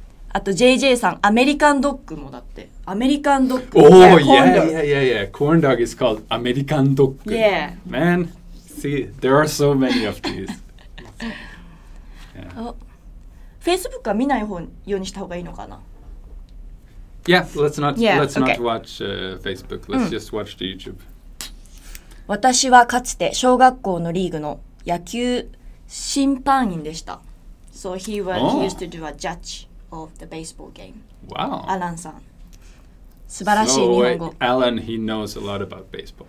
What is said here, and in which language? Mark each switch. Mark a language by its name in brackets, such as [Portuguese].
[Japanese] あと JJ さん、アメリカンドッグもだって。アメリカンドッグ。 [English] Oh, yeah. Corn dog is called American dog. Yeah. Man, see, there are so many of these. [Japanese] Yeah. Facebook は見ない方ようにした方がいいのかな? [English] Yeah, let's not, yeah, let's、 okay. not watch Facebook. Let's just watch the YouTube. [Japanese] 私はかつて小学校のリーグの野球審判員でした。 [English] So he was、 oh. used to do a judge of the baseball game. Wow. [Japanese] Alan さん。素晴らしい日本語。 [English] So, Alan, he knows a lot about baseball,、